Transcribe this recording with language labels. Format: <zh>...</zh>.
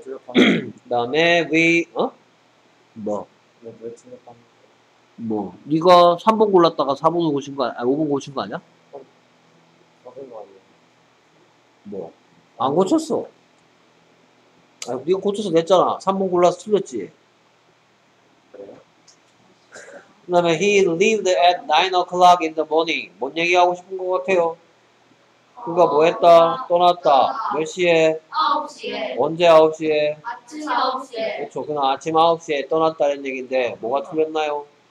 <ko>틀렸다? 그 다음에 we 어? 뭐? 왜 틀렸다? 뭐? 네가 3번 골랐다가 4번을 고친 거 아니야? 5번 고친 거 아니야? 4번 거 아니야? 뭐? 안 고쳤어. 아니, 네가 고쳐서 냈잖아. 3번 골라서 틀렸지. 그 다음에</ko> <en>he lived at 9 o'clock in the morning.</en> <ko>뭔 얘기하고 싶은 것 같아요? 그가 뭐 했다? 떠났다. 몇 시에? 9시에. 언제 9시에? 아침 9시에. 그렇죠. 그냥 아침 9시에 떠났다는 얘기인데 뭐가 틀렸나요?</ko>